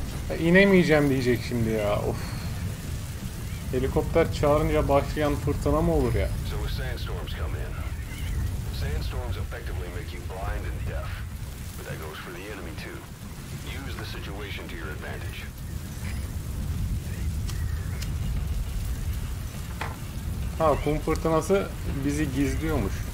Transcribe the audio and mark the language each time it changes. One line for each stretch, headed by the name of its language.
Turkish: Ya inemeyeceğim diyecek şimdi ya. Of. Helikopter çağırınca başlayan fırtına mı olur ya?
English: So sandstorms come in. Sandstorms effectively make you blind and deaf. But that goes for the enemy too. Use the situation to your advantage.
Turkish: Ha, kum fırtınası bizi gizliyormuş.